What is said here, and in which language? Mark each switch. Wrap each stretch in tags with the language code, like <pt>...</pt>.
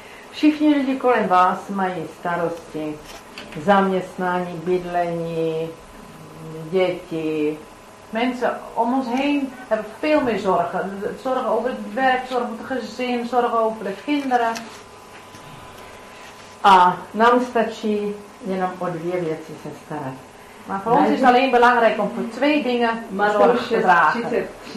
<cs>Všichni lidi kolem vás mají starosti. Zaměstnání, bydlení, děti.</cs> <nl>Mensen om ons heen hebben veel meer zorgen. Zorgen over het werk, zorgen over het gezin, zorgen over de kinderen.</nl> <cs>A nám stačí jenom o dvě věci se starat.</cs> <nl>Maar voor ons is het alleen belangrijk om voor twee dingen zorg te dragen.</nl>